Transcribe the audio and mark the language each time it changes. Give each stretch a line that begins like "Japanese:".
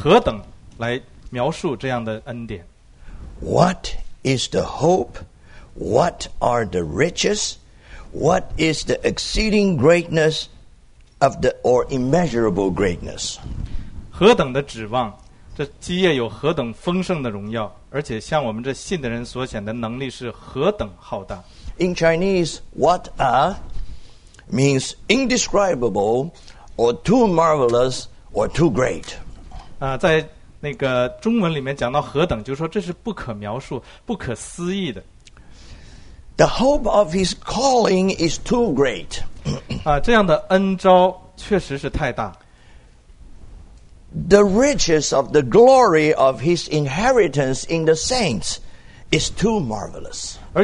Chinese: 所以使徒保罗呢，在以弗所书第一章用了三个何等来描述这样的恩典。
English: What is the hope? What are the riches? What is the exceeding greatness of the or immeasurable greatness?
Chinese: 何等的指望，这基业有何等丰盛的荣耀，而且向我们这信的人所显的能力是何等浩大。
English: In Chinese, what are means indescribable or too marvelous or too great.
Chinese: 在 那个中文里面讲到何等，就是说这是不可描述、不可思议的。
English: The hope of His calling is too great.
Chinese: 这样的恩召确实是太大。
English: The riches of the glory of His inheritance in the saints is too marvelous.